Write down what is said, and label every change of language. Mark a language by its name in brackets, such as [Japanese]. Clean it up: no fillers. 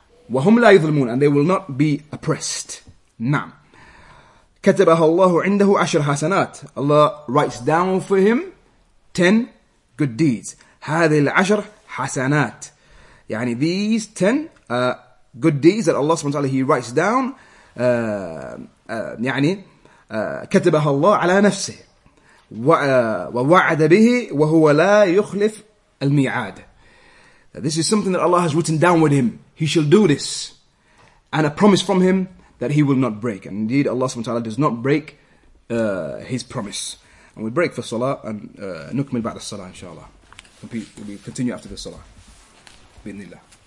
[Arabic] وَهُمْ لَا يُذْلَمُونَ, [English] and they will not be oppressed. نعم. [Arabic] كَتَبَهَا اللَّهُ عِنْدَهُ عَشْرَ حَسَنَاتٍ, [English] Allah writes down for him 10 good deeds. [Arabic] هذه العشر حسنات. [English] يعني these 10 good deeds that Allah subhanahu wa ta'ala, he writes down. [Arabic] يعني كتبها الله على نفسه. ووعد به وهو لا يخلف الميعاد. [English] This is something that Allah has written down with him. He shall do this. And a promise from him that he will not break. And indeed Allah subhanahu wa ta'ala does not break his promise. And we break for salah and nukmil ba'da salah inshallah. We continue after the salah. Bi'nillah.